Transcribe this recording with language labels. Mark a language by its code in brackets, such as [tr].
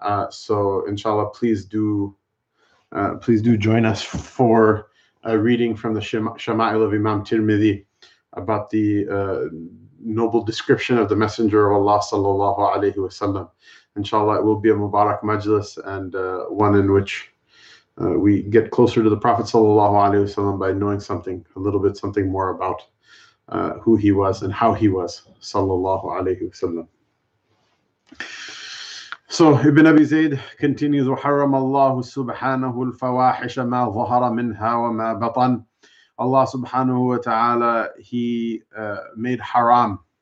[en] So inshallah, please do join us for a reading from the Shama'il of Imam Tirmidhi about the noble description of the Messenger of Allah sallallahu alayhi wa sallam. Inshallah, it will be a Mubarak Majlis and one in which we get closer to the Prophet sallallahu alayhi wa sallam by knowing something, a little bit something more about who he was and how he was sallallahu alayhi wa sallam. So Ibn Abi Zayd continues, [ar] وَحَرَّمَ اللَّهُ سُبْحَانَهُ الْفَوَاحِشَ مَا ظَهَرَ مِنْهَا وَمَا بَطَنَ. [en] Allah subhanahu wa ta'ala, he made haram.